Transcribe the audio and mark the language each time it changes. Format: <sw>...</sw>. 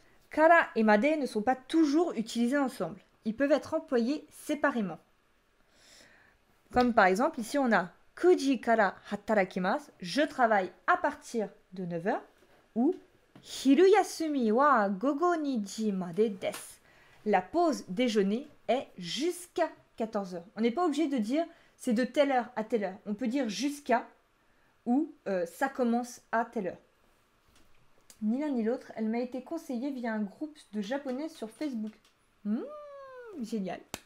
<fr>Kara et made ne sont pas toujours utilisés ensemble. Ils peuvent être employés séparément. Comme par exemple ici on a</fr> <ja>9時から働きます。</ja> <fr>Je travaille à partir de 9h.</fr> <ja>Ou 昼休みは午後2時までです。</ja> <fr>La pause déjeuner est jusqu'à 14h. On n'est pas obligé de dire c'est de telle heure à telle heure. On peut dire jusqu'à ou ça commence à telle heure. Ni l'un ni l'autre, elle m'a été conseillée via un groupe de japonais sur Facebook. Génial.</fr>